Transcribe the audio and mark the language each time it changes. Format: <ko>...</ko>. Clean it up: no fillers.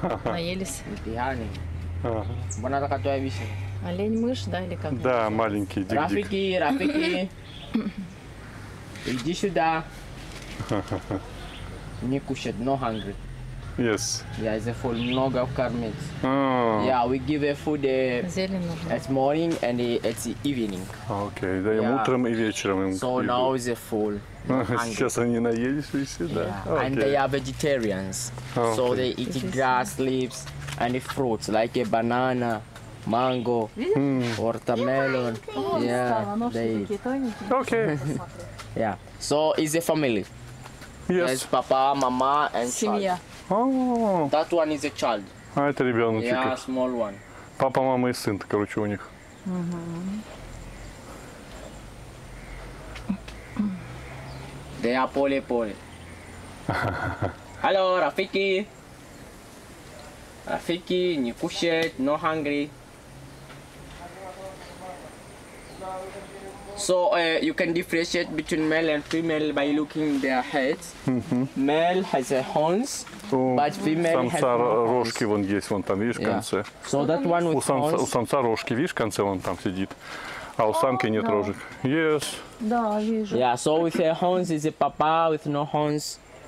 <ru>Наелись. Пьяный. Боната, которая висит. Олень-мышь, да, или как? Да, маленький дик-дик. Рафики, Рафики, иди сюда. Не кушать, но</ru> <en>hungry. Yes. Yeah, it's a full</en> <ru>много кормить. Oh.</ru> <en>Yeah, we give a food at morning and at evening.</en> <ru>Okay, да,</ru> <en>yeah.</en> <ru>Утром и вечером им.</ru> <en>So</en> <ru>и</ru> <en>now it's full.</en> <ru>Сейчас они наелись все, да?</ru> <en>Yeah. Okay. And they are vegetarians, okay. So they eat grass, leaves, and fruits like a banana, mango, watermelon. Yeah, they eat. Okay. Yeah. So it's a family. Yes. There's papa, mama, and child. Oh. That one is a child.</en> <ru>А это ребеночек.</ru> <en>Yeah, small one.</en> <ru>Папа, мама и сын, короче, у них.</ru> <en>They are poly poly. Hello, Rafiki.</en> <ru>Rafiki, не кушать,</ru> <en>no hungry. So you can differentiate between male and female by looking their heads. Mm-hmm. Male has a horns, but female has no horns.</en> <ru>Рожки вон есть, вон там, видишь, в конце.</ru> <en>So that one with horns.</en> <ru>У самца рожки, видишь, в конце вон там сидит, а у самки нет рожек.</ru> <en>Yes.</en> <ru>Да, вижу.</ru> <en>Yeah. So with a horns is a papa, with no horns.</en>